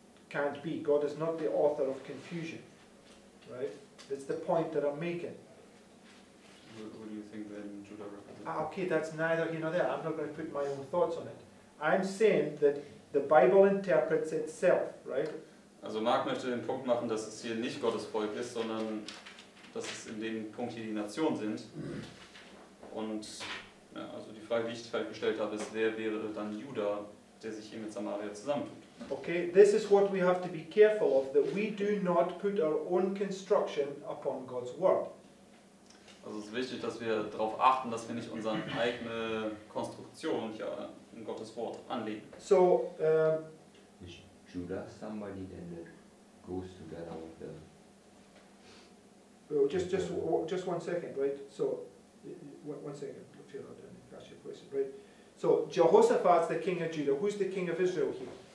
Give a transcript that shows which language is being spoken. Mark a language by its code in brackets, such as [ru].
[en] Can't be. God is not the author of confusion. Right? That's the point that I'm making. What do you think then Judah represents? Ah, okay, that's neither here nor there. I'm not going to put my own thoughts on it. I'm saying that the Bible interprets itself, right? [de] Also Mark möchte den Punkt machen, dass es hier nicht Gottes Volk ist, sondern dass es in dem Punkt hier die Nation sind. Und ja, also die Frage, die ich vielleicht gestellt habe, ist, wer wäre dann Judah, der sich hier mit Samaria zusammentut? [en] Okay, this is what we have to be careful of, that we do not put our own construction upon God's word. [de] Also es ist wichtig, dass wir darauf achten, dass wir nicht unsere eigene Konstruktion hier in Gottes Wort anlegen. [en] So, Judah, somebody then that goes together with them. Well, just 1 second, right? So, one second, if you're not done, ask your question, right? So, Jehoshaphat's the king of Judah. Who's the king of Israel here?